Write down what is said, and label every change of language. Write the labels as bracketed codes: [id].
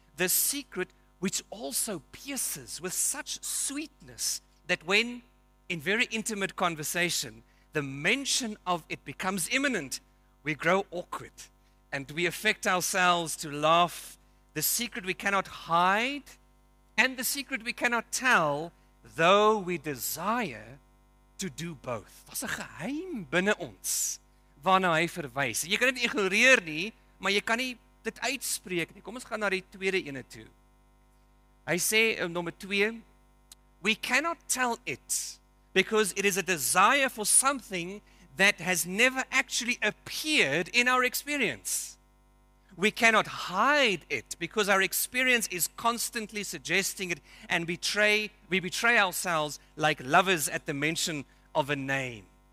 [en] The secret which also pierces with such sweetness that when, in very intimate conversation, the mention of it becomes imminent, we grow awkward. And we affect ourselves to laugh. The secret we cannot hide, and the secret we cannot tell, though we desire to do both. [af] Was 'n geheim binne ons waarna hy verwys. Jy kan dit ignoreer nie, maar jy kan nie dit uitspreek nie. Kom ons gaan na die tweede ene toe. Hy sê nommer 2, [en] we cannot tell it because it is a desire for something that has never actually appeared in our experience. We cannot hide it because our experience is constantly suggesting it and we betray ourselves like lovers at the mention of a name.